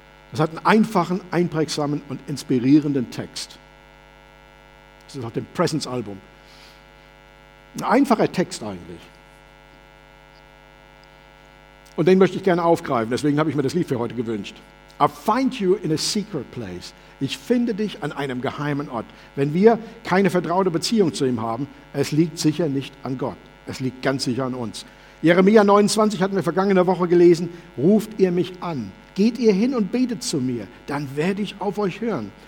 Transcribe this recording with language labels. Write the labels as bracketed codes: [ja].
[de] Das hat einen einfachen, einprägsamen und inspirierenden Text. Das ist auf dem Presence-Album. Ein einfacher Text eigentlich. Und den möchte ich gerne aufgreifen, deswegen habe ich mir das Lied für heute gewünscht. [en] I find you in a secret place. [de] Ich finde dich an einem geheimen Ort. Wenn wir keine vertraute Beziehung zu ihm haben, es liegt sicher nicht an Gott. Es liegt ganz sicher an uns. Jeremia 29 hatten wir vergangene Woche gelesen. Ruft ihr mich an, geht ihr hin und betet zu mir, dann werde ich auf euch hören.